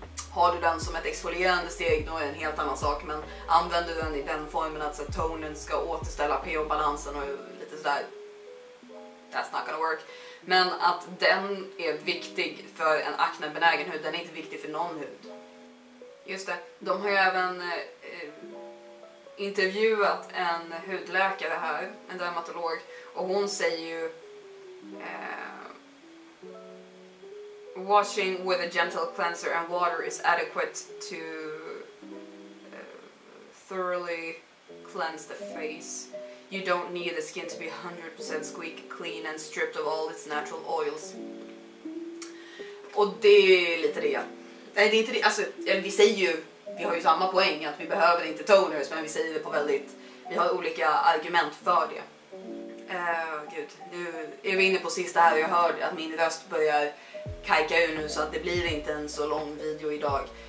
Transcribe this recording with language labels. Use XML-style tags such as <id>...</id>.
<sv>Har du den som ett exfolierande steg, då är det en helt annan sak. Men använder du den i den formen att alltså, tonen ska återställa pH-balansen och lite sådär,</sv> <en>that's not gonna work.</en> <sv>Men att den är viktig för en aknebenägen hud, den är inte viktig för någon hud. Just det, de har ju även intervjuat en hudläkare här, en dermatolog. Och hon säger ju</sv> <en>washing with a gentle cleanser and water is adequate to thoroughly cleanse the face. You don't need the skin to be 100% squeak clean and stripped of all its natural oils.</en> <sv>Och det är lite det. Nej, det är inte det. Alltså, vi säger ju, vi har ju samma poäng att vi behöver inte toners, men vi säger det på väldigt, vi har olika argument för det. Gud, nu är vi inne på sista här. Jag hör att min röst börjar kajka ur nu, så att det blir inte en så lång video idag.</sv>